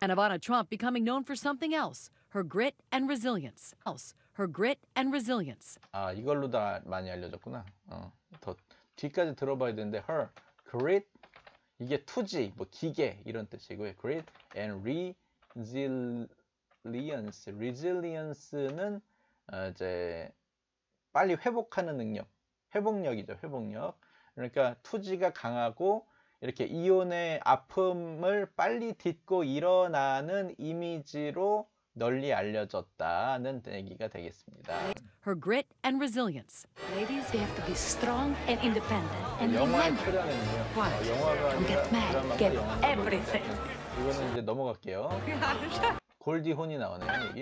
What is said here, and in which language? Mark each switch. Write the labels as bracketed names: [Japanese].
[English] And Ivana Trump becoming known for something else. Her grit and resilience. Else. Her grit and resilience. [Korean] 아, 이걸로 다 많이 알려졌구나. 더 뒤까지 들어봐야 되는데 [English] her grit [Korean] 이게 투지, 뭐 기계 이런 뜻이고요. [English] grit and resilience. [Korean] resilience는 이제 빨리 회복하는 능력. 회복력이죠. 회복력. 그러니까 투지가 강하고 이렇게 이혼의 아픔을 빨리 딛고 일어나는 이미지로 널리 알려졌다는 얘기가 되겠습니다. [English] Her grit and resilience. Ladies, they have to be strong and independent. [Korean] And 영화에 출연했네요. [English] What? [Korean] 영화가 아니라 [English] get mad, get everything. [Korean] 이거는 이제 넘어갈게요. 골디 혼이 나오네요, 여기.